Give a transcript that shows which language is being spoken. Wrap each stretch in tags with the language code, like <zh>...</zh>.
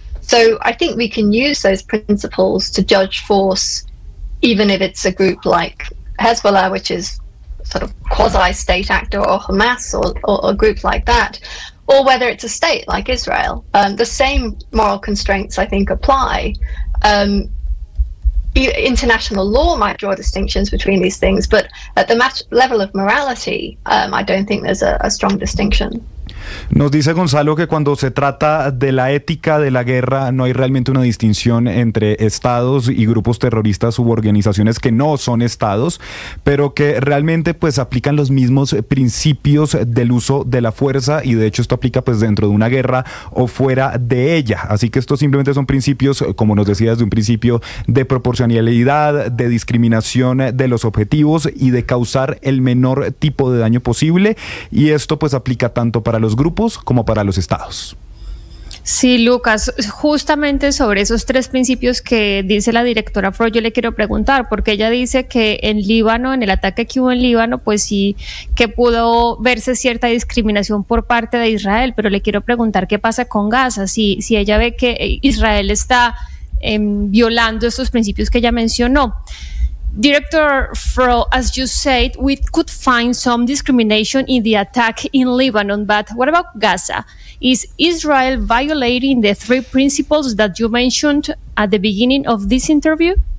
<en>So I think we can use those principles to judge force even if it's a group like Hezbollah, which is sort of quasi-state actor, or Hamas, or a group like that, or whether it's a state like Israel. The same moral constraints, I think, apply. International law might draw distinctions between these things, but at the level of morality, I don't think there's a strong distinction.</en> <es>Nos dice Gonzalo que cuando se trata de la ética de la guerra no hay realmente una distinción entre estados y grupos terroristas u organizaciones que no son estados, pero que realmente pues aplican los mismos principios del uso de la fuerza, y de hecho esto aplica pues dentro de una guerra o fuera de ella. Así que estos simplemente son principios, como nos decía desde un principio, de proporcionalidad, de discriminación de los objetivos y de causar el menor tipo de daño posible, y esto pues aplica tanto para los grupos como para los estados. Sí, Lucas, justamente sobre esos tres principios que dice la directora Fro, yo le quiero preguntar, porque ella dice que en Líbano, en el ataque que hubo en Líbano, pues sí que pudo verse cierta discriminación por parte de Israel, pero le quiero preguntar qué pasa con Gaza, si ella ve que Israel está violando estos principios que ella mencionó.</es> <en>Director Fro, as you said, we could find some discrimination in the attack in Lebanon, but what about Gaza? Is Israel violating the three principles that you mentioned at the beginning of this interview?</en>